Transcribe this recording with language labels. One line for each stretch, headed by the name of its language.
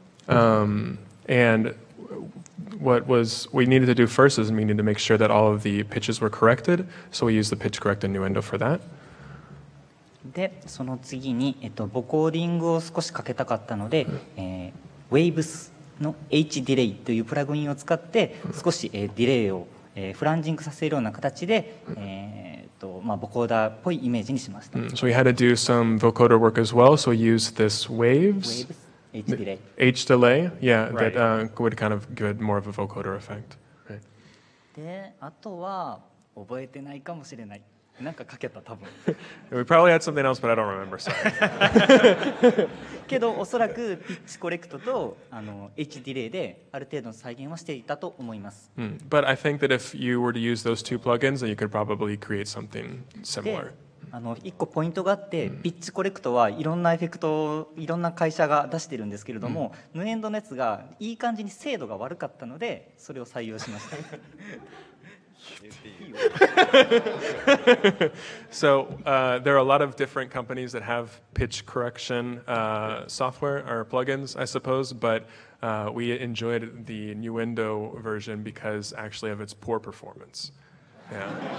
English: And what was we needed to do first is we needed to make sure that all of the pitches were corrected. So we used the pitch correct innuendo for that.
Japanese: でその次に、ボコーディングを少しかけたかったので、ウェイブスの H ディレイというプラグインを使って少し、ディレイを、フランジングさせるような形で、まあ、ボコーダーっぽいイメージにしました
English: 。 So we had to do some vocoder work as well, so we used this waves, H delay, H delay, yeah, right. that would kind of give it more of a vocoder effect、 right.
Japanese: であとは覚えてないかもしれないなんかかけた多分。
English: We probably had something else, but I don't remember. Sorry.
Japanese: けどおそらくピッチコレクトとあの H ディレイである程度の再現はしていたと思います。 Mm.
English: But I think that if you were to use those two plugins, then you could probably create something similar.
Japanese: あの一個ポイントがあって、mm. ピッチコレクトはいろんなエフェクトをいろんな会社が出してるんですけれども、ヌエンドのやつがいい感じに精度が悪かったので、それを採用しました。
English: So, there are a lot of different companies that have pitch correction software or plugins, I suppose, but we enjoyed the Nuendo version because actually of its poor performance. Yeah.